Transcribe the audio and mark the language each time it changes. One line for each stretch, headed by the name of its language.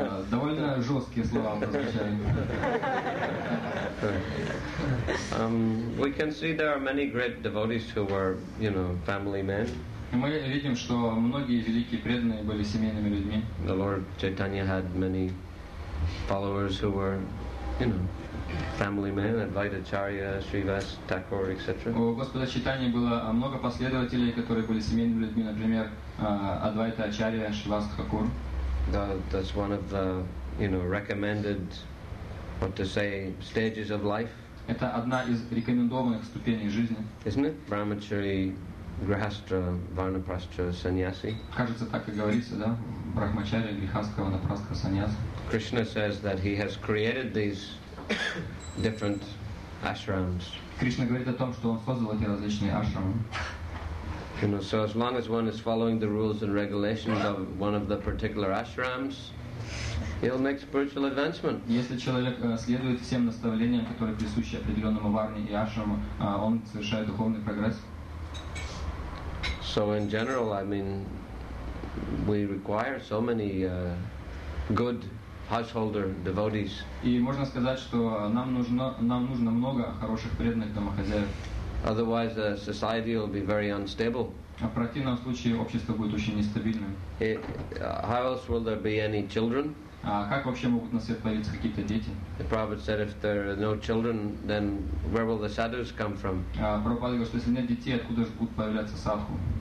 Russian: Довольно жесткие слова прозвучали.
English: We can see there are many great devotees who were, you know, family men.
Russian: Мы видим, что многие великие преданные были семейными людьми.
English: The Lord Chaitanya had many followers who were, you know, family men, Advaita Acharya, Srivas, Thakur, etc.
Russian: У Господа Чайтаньи было много последователей, которые были семейными людьми, например, Адвайта Ачарья, Шривас Тхакур.
English: That's one of the, you know, recommended, what to say, stages of life.
Russian: Это одна из рекомендованных ступеней жизни.
English: Isn't it? Brahmachari, Grihastha, Varnaprastha, Sannyasi.
Russian: Кажется, так и говорится, да? Брахмачарья, Грихастха, Варнапрастха, Саньяс.
English: Krishna says that he has created these different ashrams.
Russian: Кришна говорит о том, что он создал эти различные ашрамы.
English: You know, so as long as one is following the rules and regulations of one of the particular ashrams, he'll make spiritual advancement.
Russian: Если человек следует всем наставлениям, которые присущи определенному варне и ашраму, он совершает духовный прогресс.
English: So in general, I mean, we require so many good householder devotees.
Russian: И можно сказать, что нам нужно много хороших преданных домохозяев.
English: Otherwise, the society will be very unstable.
Russian: А в противном случае общество будет очень нестабильным.
English: How else will there be any children?
Russian: А как вообще могут на свет появиться какие-то дети?
English: The Prabhupada said, if there are no children, then where will the sadhus come from?
Russian: А Прабхупада говорит, что если нет детей, откуда же будут появляться садху?